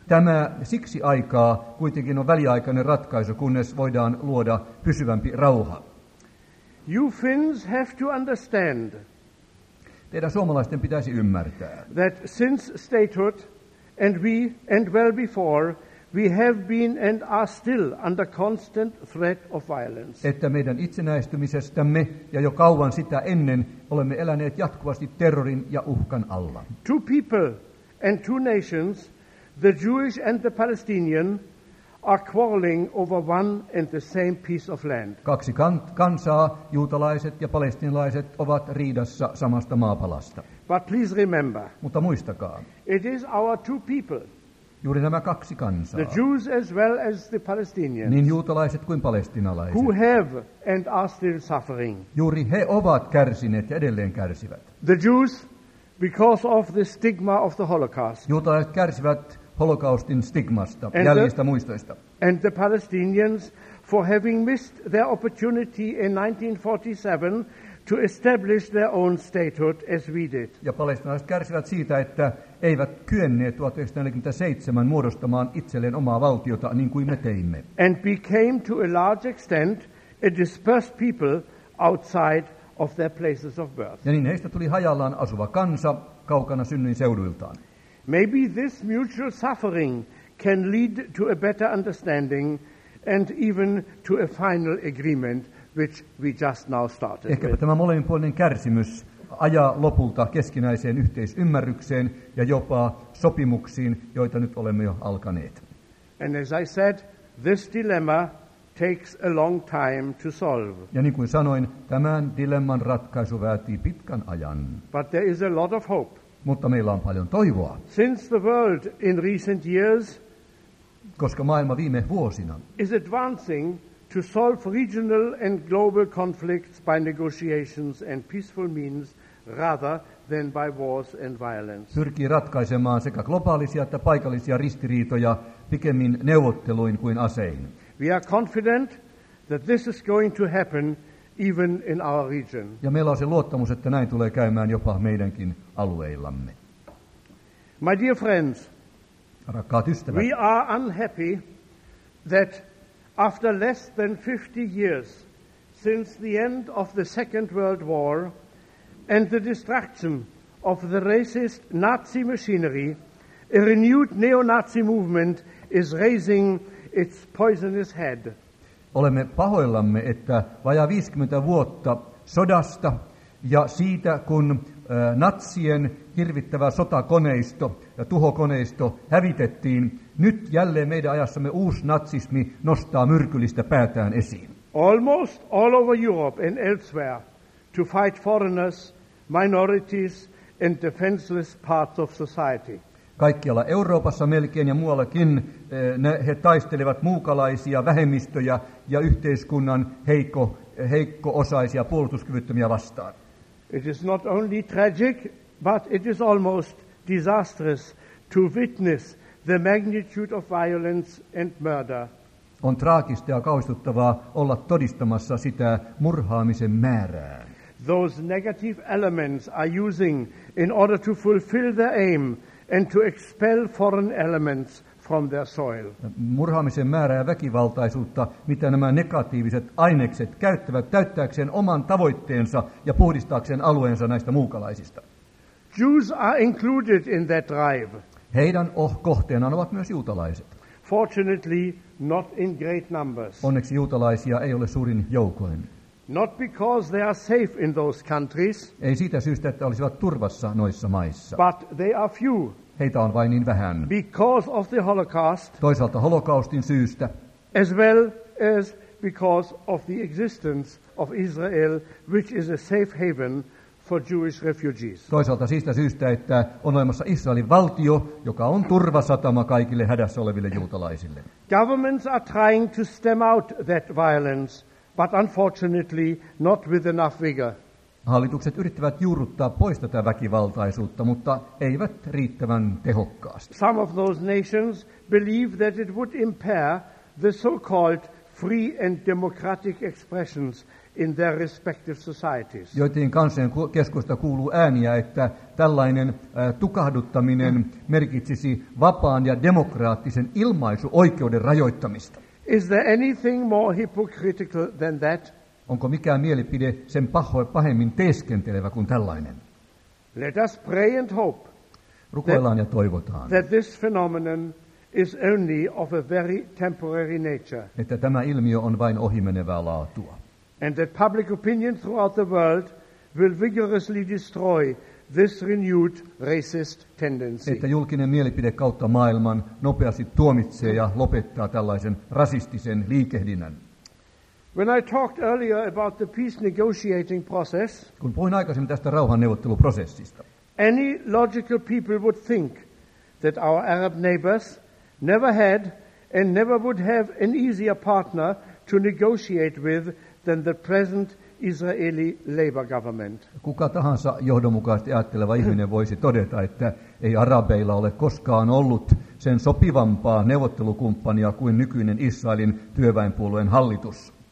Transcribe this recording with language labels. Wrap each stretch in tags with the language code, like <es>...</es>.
<fi>Tämä siksi aikaa kuitenkin on väliaikainen ratkaisu, kunnes voidaan luoda pysyvämpi rauha.</fi> <en>You Finns have to understand.</en> <fi>Teidän suomalaisten pitäisi ymmärtää,</fi> <en>that since statehood and well before we have been and are still under constant threat of violence.</en> <fi>Että meidän itsenäistymisestämme ja jo kauan sitä ennen olemme eläneet jatkuvasti terrorin ja uhkan alla.</fi> <en>Two people and two nations, the Jewish and the Palestinian, are quarreling over one and the same piece of land.</en> <fi>Kaksi kansaa, juutalaiset ja palestinalaiset, ovat riidassa samasta maapalasta.</fi> <en>But please remember,</en> <fi>mutta muistakaa,</fi> <en>it is our two people,</en> <fi>juuri nämä kaksi kansaa,</fi> <en>the Jews as well as the Palestinians,</en> <fi>niin juutalaiset kuin palestinalaiset,</fi> <en>who have and are still suffering.</en> <fi>Juuri he ovat kärsineet ja edelleen kärsivät.</fi> <en>The Jews, because of the stigma of the Holocaust.</en> <fi>Juutalaiset kärsivät Holocaustin stigmasta, jäljistä muistoista.</fi> <en>And the Palestinians, for having missed their opportunity in 1947 to establish their own statehood as we did.</en> <fi>Ja palestinalaiset kärsivät siitä, että eivät kyenneet 1947 muodostamaan itselleen omaa valtiota niin kuin me teimme.</fi> <en>And became to a large extent a dispersed people outside of their places of birth.</en> <fi>Ja niin heistä tuli hajallaan asuva kansa kaukana synnyin seuduiltaan.</fi> <en>Maybe this mutual suffering can lead to a better understanding and even to a final agreement which we just now started.</en> <fi>Ehkäpä tämä molemminpuolinen kärsimys ajaa lopulta keskinäiseen yhteisymmärrykseen ja jopa sopimuksiin, joita nyt olemme jo alkaneet.</fi> <en>And as I said, this dilemma takes a long time to solve.</en> <fi>Ja niin kuin sanoin, tämän dilemman ratkaisu vaatii pitkän ajan.</fi> <en>But there is a lot of hope.</en> <fi>Mutta meillä on paljon toivoa.</fi> <en>Since the world in recent years,</en> <fi>koska maailma viime vuosina</fi> <en>is advancing to solve regional and global conflicts by negotiations and peaceful means rather than by wars and violence.</en> <fi>Pyrkii ratkaisemaan sekä globaalisia että paikallisia ristiriitoja pikemmin neuvotteluin kuin asein.</fi> <en>We are confident that this is going to happen even in our region.</en> <fi>Ja meillä on se luottamus, että näin tulee käymään jopa meidänkin alueillamme.</fi> <en>My dear friends,</en> <fi>rakkaat ystävät,</fi> <en>we are unhappy that after less than 50 years since the end of the Second World War and the destruction of the racist Nazi machinery, a renewed neo-Nazi movement is raising its poisonous head.</en> <fi>Olemme pahoillamme, että vajaa 50 vuotta sodasta ja siitä, kun natsien hirvittävä sotakoneisto ja tuhokoneisto hävitettiin, nyt jälleen meidän ajassamme uusi natsismi nostaa myrkyllistä päätään esiin.</fi> <en>Almost all over Europe and elsewhere to fight foreigners, minorities and defenseless parts of society.</en> <fi>Kaikkialla Euroopassa melkein ja muuallakin he taistelevat muukalaisia vähemmistöjä ja yhteiskunnan heikko-osaisia puolustuskyvyttömiä vastaan.</fi> <en>It is not only tragic, but it is almost disastrous to witness the magnitude of violence and murder.</en> <fi>On traagista ja kauhistuttavaa olla todistamassa sitä murhaamisen määrää.</fi> <en>Those negative elements are using in order to fulfill their aim and to expel foreign elements from their soil.</en> <fi>Murhaamisen määrää ja väkivaltaisuutta, mitä nämä negatiiviset ainekset käyttävät täyttääkseen oman tavoitteensa ja puhdistaakseen alueensa näistä muukalaisista.</fi> <en>Jews are included in that drive.</en> <fi>Heidän kohteenaan ovat myös juutalaiset.</fi> <en>Fortunately, not in great numbers.</en> <fi>Onneksi juutalaisia ei ole suurin joukoin.</fi> <en>Not because they are safe in those countries.</en> <fi>Ei siitä syystä, että olisivat turvassa noissa maissa.</fi> <en>But they are few.</en> <fi>Heitä on vain niin vähän.</fi> <en>Because of the Holocaust.</en> <fi>Toisaalta holokaustin syystä.</fi> <en>As well as because of the existence of Israel, which is a safe haven for Jewish refugees.</en> <fi>Toisaalta siitä syystä, että on olemassa Israelin valtio, joka on turvasatama kaikille hädässä oleville juutalaisille.</fi> <en>Governments are trying to stem out that violence, but unfortunately not with enough vigor.</en> <fi>Hallitukset yrittävät juurruttaa pois tätä väkivaltaisuutta, mutta eivät riittävän tehokkaasti.</fi> <en>Some of those nations believe that it would impair the so-called free and democratic expressions in their respective societies.</en> <fi>Joitain kansojen keskusta kuuluu ääniä, että tällainen tukahduttaminen merkitsisi vapaan ja demokraattisen ilmaisuoikeuden rajoittamista.</fi> <en>Is there anything more hypocritical than that?</en> <fi>Onko mikään mielipide sen pahemmin teeskentelevä kuin tällainen?</fi> <en>Let us pray and hope.</en> <fi>Rukoillaan ja toivotaan.</fi> <en>That this phenomenon is only of a very temporary nature.</en> <fi>Että tämä ilmiö on vain ohimenevää laatua.</fi> <en>And that public opinion throughout the world will vigorously destroy this renewed racist tendency.</en> <fi>Että julkinen mielipide kautta maailman nopeasti tuomitsee ja lopettaa tällaisen rasistisen liikehdinnän.</fi> <en>When I talked earlier about the peace negotiating process,</en> <fi>kun puhuin aikaisemmin tästä rauhanneuvotteluprosessista,</fi> <en>any logical people would think that our Arab neighbors never had and never would have an easier partner to negotiate with than the present Israeli Labour government.</en> <fi>Kuka tahansa johdonmukaisesti ajatteleva ihminen voisi todeta, että ei arabeilla ole koskaan ollut sen sopivampaa neuvottelukumppania kuin nykyinen Israelin työväenpuolueen hallitus.</fi>